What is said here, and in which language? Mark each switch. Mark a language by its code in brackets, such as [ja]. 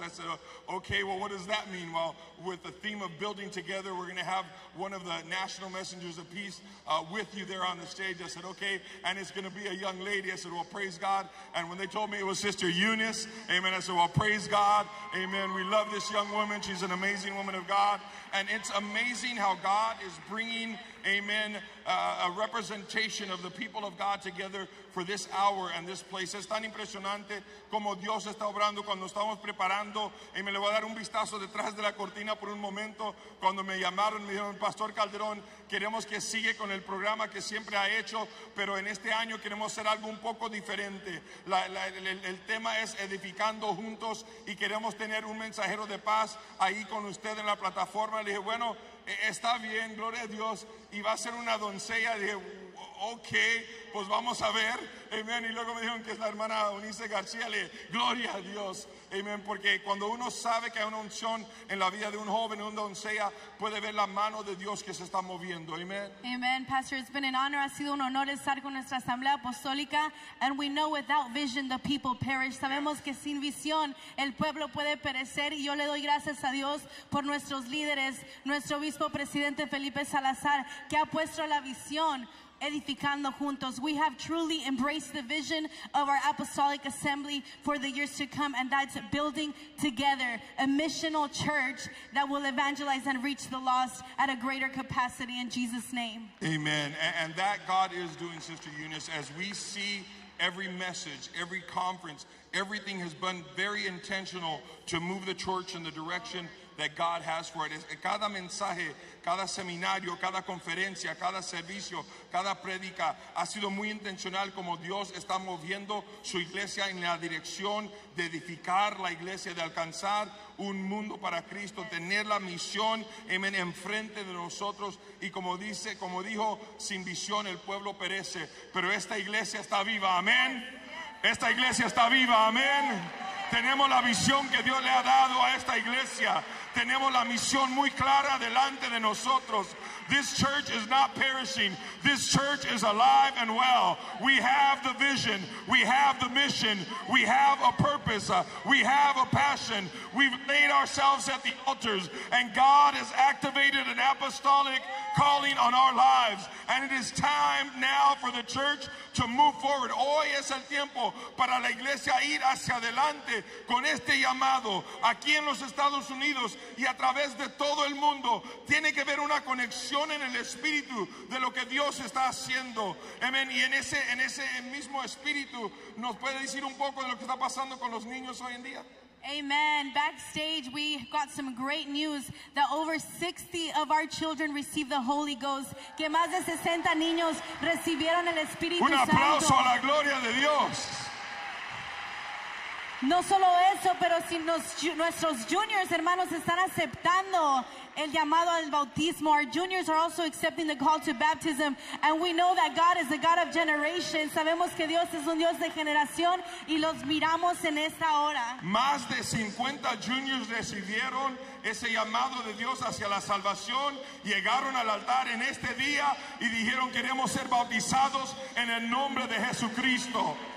[en] I said, okay, well, what does that mean? Well, with the theme of building together, we're going to have one of the national messengers of peace with you there on the stage. I said, okay, and it's going to be a young lady. I said, well, praise God. And when they told me it was Sister Eunice, amen, I said, well, praise God, amen. We love this young woman. She's an amazing woman of God. And it's amazing how God is bringing, amen, a representation of the people of God together for this hour and this place. [es] Es tan impresionante como Dios está obrando cuando estamos preparando. Amen. Le voy a dar un vistazo detrás de la cortina por un momento. Cuando me llamaron, me dijeron, Pastor Calderón, queremos que siga con el programa que siempre ha hecho, pero en este año queremos hacer algo un poco diferente. El tema es edificando juntos y queremos tener un mensajero de paz ahí con usted en la plataforma. Le dije, bueno, está bien, gloria a Dios, y va a ser una doncella. Dije, ok, pues vamos a ver, amen. Y luego me dijeron que es la hermana Eunice García. Le dije, gloria a Dios, amen, porque cuando uno sabe que hay una unción en la vida de un joven, una doncella, puede ver la mano de Dios que se está moviendo, amen. [en] Amen, Pastor, it's been an honor, [es] ha sido un honor estar con nuestra asamblea apostólica, [en] and we know without vision the people perish. [es] Sabemos que sin visión el pueblo puede perecer, y yo le doy gracias a Dios por nuestros líderes, nuestro obispo presidente Felipe Salazar, que ha puesto la visión edificando juntos. [en] We have truly embraced the vision of our apostolic assembly for the years to come, and that's building together a missional church that will evangelize and reach the lost at a greater capacity, in Jesus' name. Amen. And that God is doing, Sister Eunice, as we see every message, every conference, everything has been very intentional to move the church in the direction that God has for it. [es] Cada mensaje, cada seminario, cada conferencia, cada servicio, cada predica ha sido muy intencional como Dios está moviendo su iglesia en la dirección de edificar la iglesia, de alcanzar un mundo para Cristo, tener la misión, amen, enfrente de nosotros. Y como dice, como dijo, sin visión el pueblo perece, pero esta iglesia está viva, amén. Esta iglesia está viva, amén. Tenemos la visión que Dios le ha dado a esta iglesia. Tenemos la misión muy clara delante de nosotros. [en] This church is not perishing. This church is alive and well. We have the vision. We have the mission. We have a purpose. We have a passion. We've laid ourselves at the altars, and God has activated an apostolic calling on our lives. And it is time now for the church to move forward. [es] Hoy es el tiempo para la iglesia ir hacia adelante con este llamado. Aquí en los Estados Unidos y a través de todo el mundo tiene que haber una conexión en el espíritu de lo que Dios está haciendo. Amen. Y en ese mismo espíritu, ¿nos puede decir un poco de lo que está pasando con los niños hoy en día? Amen. [en] Backstage, we got some great news that over 60 of our children received the Holy Ghost. [es] Que más de 60 niños recibieron el Espíritu Santo. Un aplauso a la gloria de Dios. No solo eso, pero si nuestros juniors, hermanos, están aceptando el llamado al bautismo. [en] Our juniors are also accepting the call to baptism. And we know that God is the God of generations. [es] Sabemos que Dios es un Dios de generación, y los miramos en esta hora. Más de 50 juniors recibieron ese llamado de Dios hacia la salvación. Llegaron al altar en este día y dijeron, queremos ser bautizados en el nombre de Jesucristo.